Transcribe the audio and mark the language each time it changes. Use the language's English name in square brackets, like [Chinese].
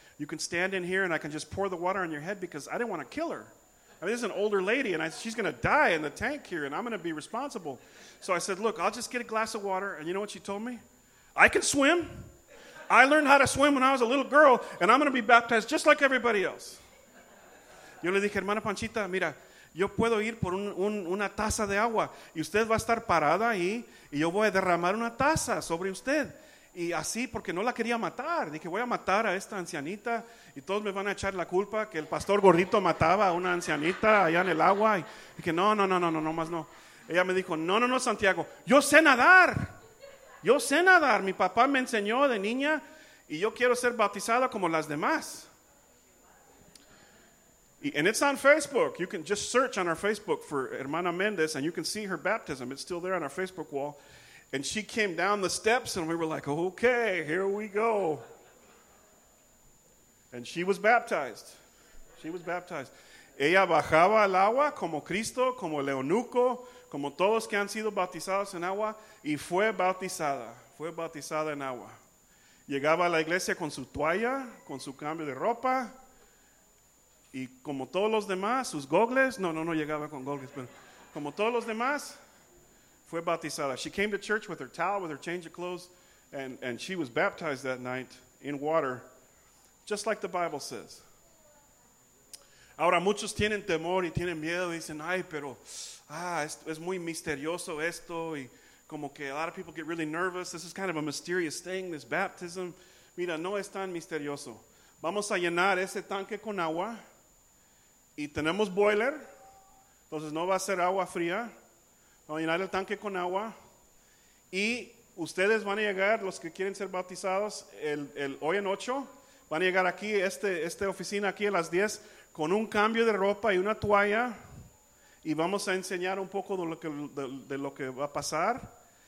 [English] You can stand in here and I can just pour the water on your head, because I didn't want to kill her. I mean, this is an older lady, and she's going to die in the tank here, and I'm going to be responsible. So I said, look, I'll just get a glass of water. And you know what she told me? I can swim. I learned how to swim when I was a little girl, and I'm going to be baptized just like everybody else. [Spanish] Yo le dije, hermana Panchita, mira, yo puedo ir por una taza de agua, y usted va a estar parada ahí, y yo voy a derramar una taza sobre usted. Y así, porque no la quería matar. Dije, voy a matar a esta ancianita y todos me van a echar la culpa que el pastor gordito mataba a una ancianita allá en el agua. Y dije, no, más no. Ella me dijo, no, Santiago, yo sé nadar. Yo sé nadar. Mi papá me enseñó de niña y yo quiero ser bautizada como las demás. [English] And it's on Facebook. You can just search on our Facebook for Hermana Méndez and you can see her baptism. It's still there on our Facebook wall. And she came down the steps, and we were like, okay, here we go. And she was baptized. [Spanish] She was baptized. Ella bajaba al agua como Cristo, como el eunuco, como todos que han sido bautizados en agua, y fue bautizada en agua. Llegaba a la iglesia con su toalla, con su cambio de ropa, y como todos los demás, sus gogles, no llegaba con gogles, pero como todos los demás, fue bautizada. [English] She came to church with her towel, with her change of clothes, and she was baptized that night in water, just like the Bible says. [Spanish] Ahora muchos tienen temor y tienen miedo y dicen, ay, pero, es muy misterioso esto, y como que [English] a lot of people get really nervous. This is kind of a mysterious thing, this baptism. [Spanish] Mira, no es tan misterioso. Vamos a llenar ese tanque con agua, y tenemos boiler, entonces no va a ser agua fría. Vamos a llenar el tanque con agua, y ustedes van a llegar, los que quieren ser bautizados, hoy en 8, van a llegar aquí, esta oficina aquí a las 10, con un cambio de ropa y una toalla, y vamos a enseñar un poco de lo que va a pasar.